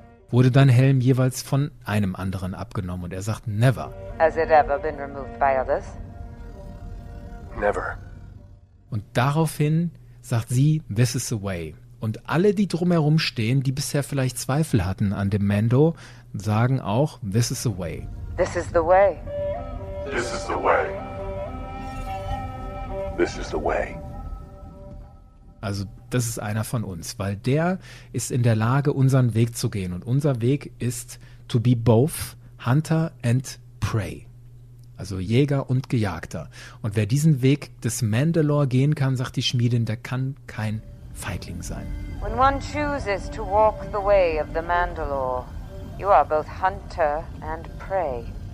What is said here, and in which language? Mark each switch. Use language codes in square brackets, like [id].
[de] Wurde dein Helm jeweils von einem anderen abgenommen? Und er sagt [en] never. Has it ever been removed by others? Never. [de] Und daraufhin sagt sie, [en] this is the way. [de] Und alle, die drumherum stehen, die bisher vielleicht Zweifel hatten an dem Mando, sagen auch, [en] this is the way. This is the way. This is the way. This is the way. [de] Also das ist einer von uns, weil der ist in der Lage, unseren Weg zu gehen. Und unser Weg ist [en] to be both hunter and prey. [de] Also Jäger und Gejagter. Und wer diesen Weg des Mandalore gehen kann, sagt die Schmiedin, der kann kein Feigling sein. [en] When one chooses to walk the way of the Mandalore, you are both hunter and prey.